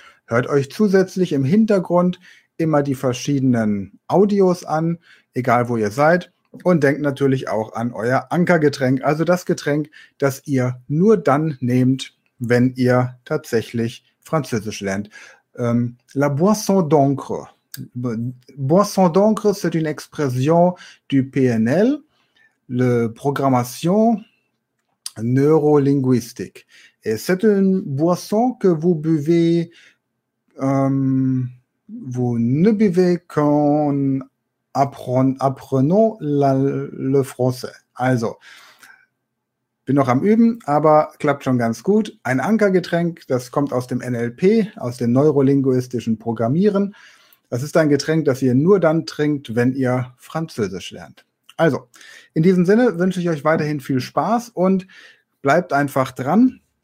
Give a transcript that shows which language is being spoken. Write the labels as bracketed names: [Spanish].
[German] Hört euch zusätzlich im Hintergrund immer die verschiedenen Audios an, egal wo ihr seid, und denkt natürlich auch an euer Ankergetränk, also das Getränk, das ihr nur dann nehmt, wenn ihr tatsächlich Französisch lernt. [French] La boisson d'encre. Boisson d'encre, c'est une expression du PNL, le programmation neurolinguistique. Et c'est une boisson que vous buvez. Vous ne buvez qu'en apprenant le français. [German] Also, bin noch am Üben, aber klappt schon ganz gut. Ein Ankergetränk, das kommt aus dem NLP, aus dem neurolinguistischen Programmieren. Das ist ein Getränk, das ihr nur dann trinkt, wenn ihr Französisch lernt. Also, in diesem Sinne wünsche ich euch weiterhin viel Spaß und bleibt einfach dran.